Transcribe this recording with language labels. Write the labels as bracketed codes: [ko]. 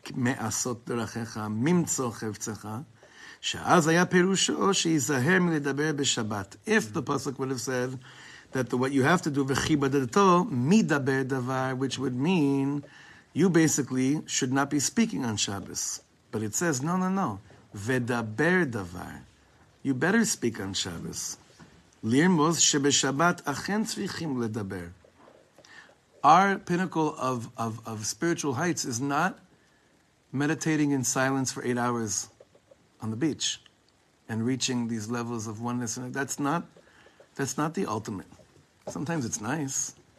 [he] מעשות דרכך, ממצו חפצך, שאז היה פירושו שיזהר מלדבר בשבת. [en] If the pasuk would have said that what you have to do, [he] וכיבדתו, מדבר דבר, [en] which would mean, you basically should not be speaking on Shabbos. But it says, no, no, no. [he] ודבר דבר. [en] You better speak on Shabbos. [he] לרמוז שבשבת אכן צריכים לדבר. [en] Our pinnacle of spiritual heights is not meditating in silence for 8 hours on the beach and reaching these levels of oneness. And that's not the ultimate. Sometimes it's nice.